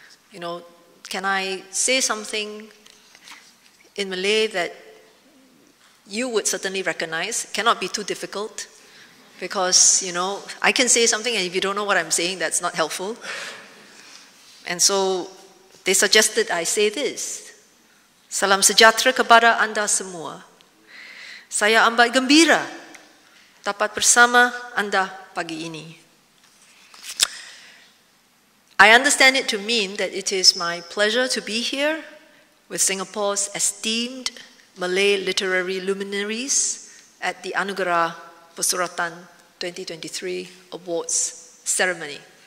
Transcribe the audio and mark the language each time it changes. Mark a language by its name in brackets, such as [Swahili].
[English] You know, can I say something in Malay that you would certainly recognize? Cannot be too difficult. Because, you know, I can say something and if you don't know what I'm saying, that's not helpful. And so they suggested I say this. [Malay] Salam sejahtera kepada anda semua. Saya amat gembira dapat bersama anda pagi ini. [English] I understand it to mean that it is my pleasure to be here with Singapore's esteemed Malay literary luminaries at the Anugerah Persuratan 2023 Awards Ceremony.